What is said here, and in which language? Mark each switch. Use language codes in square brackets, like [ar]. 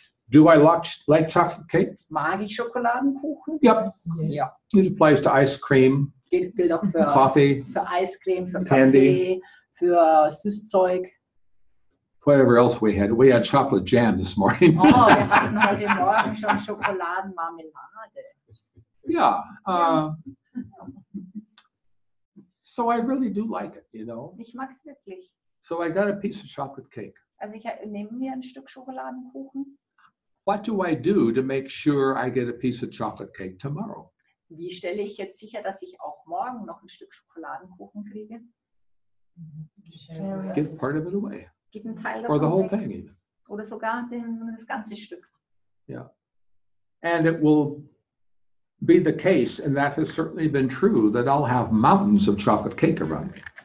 [en] Do I like chocolate cake? [de] Mag ich Schokoladenkuchen? [en] Yep. [de] Ja. [en] It applies to ice cream. [de] Gilt auch für [en] Coffee, [de] für Ice Cream, für Candy, Kaffee, für Süßzeug. [en] Whatever else we had. We had chocolate jam this morning. [de] Oh, wir hatten heute Morgen schon Schokoladenmarmelade. [en] Yeah. So I really do like it, you know. [de] Ich mag's wirklich. [en] So I got a piece of chocolate cake. [de] Also ich nehme mir ein Stück Schokoladenkuchen. [en] What do I do to make sure I get a piece of chocolate cake tomorrow? [de] Wie stelle ich jetzt sicher, dass ich auch morgen noch ein Stück Schokoladenkuchen kriege? [en] Give part of it away. [de] Gib einen Teil davon. [en] Or the whole thing even. [de] oder sogar das ganze Stück. [en] Yeah. And it will be the case, and that has certainly been true, that I'll have mountains of chocolate cake around me.